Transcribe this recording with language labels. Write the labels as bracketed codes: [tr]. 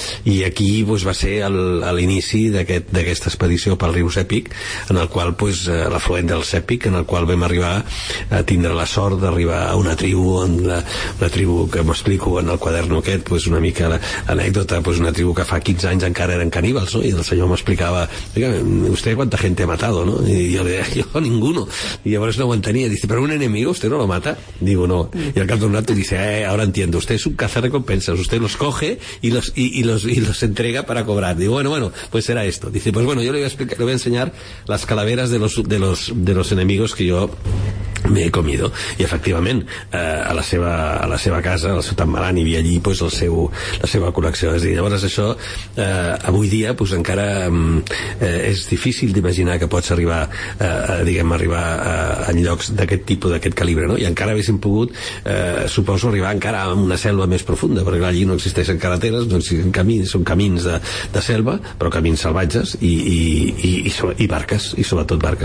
[ca] I aquí, doncs, va ser l'inici d'aquesta expedició pel riu Sèpic, en el qual, doncs, l'afluent del Sèpic, en el qual vam arribar a tindre la sort d'arribar a una tribu, en la tribu que m'explico en el quadern aquest, doncs, una mica l'anècdota, doncs, una tribu que fa 15 anys encara eren caníbals, no? I el senyor m'explicava, vostè quanta gent ha matat, no? I jo li deia, jo ninguno. I llavors no ho entenia, [es] dice, [ca] però un enemic, [es] usted no lo mata, digo no, y [ca] al cap de [es] un rato dice, ahora entiendo, usted es un cazarrecompensas, usted los coge y los entrega para cobrar. Digo, bueno, pues será esto. Dice, pues bueno, yo le voy a enseñar las calaveras de los enemigos que yo me he comido. [ca] I efectivament, a la seva casa, al seu tambalant, hi havia allí, pues, la seva col·lecció. És a dir, llavors això, avui dia, pues, encara és difícil d'imaginar que pots arribar a llocs d'aquest tipus, d'aquest calibre, no? I encara haguéssim pogut, suposo, arribar encara a una selva més profunda, perquè allí no existeixen carreteres, no existeixen camins, són camins de selva, però camins salvatges i barques, sobretot.